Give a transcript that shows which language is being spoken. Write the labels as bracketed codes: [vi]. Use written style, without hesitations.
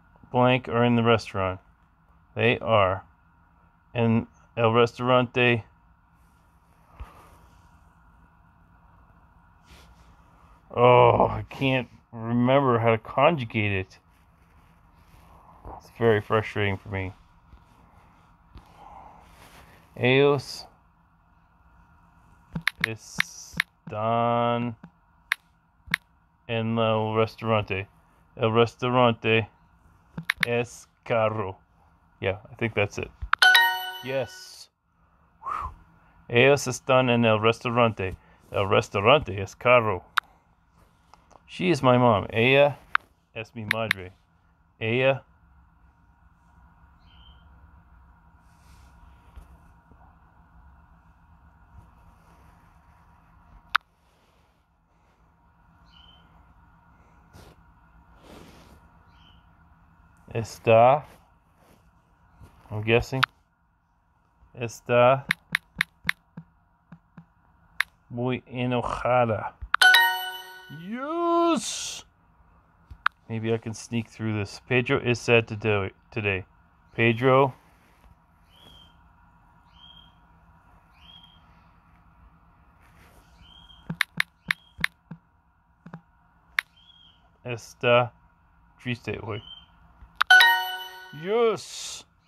[en] blank are in the restaurant. They are. [es] En el restaurante. [en] Oh, I can't remember how to conjugate it. It's very frustrating for me. [es] Ellos están en el restaurante. El restaurante es caro. [en] Yeah, I think that's it. Yes. [es] Ellos están en el restaurante. El restaurante es caro. [en] She is my mom. [es] Ella es mi madre. Ella está, [en] I'm guessing, [es] está muy enojada. [en] Yes! Maybe I can sneak through this. Pedro is sad today. [es] Pedro está triste hoy. [en] Yes!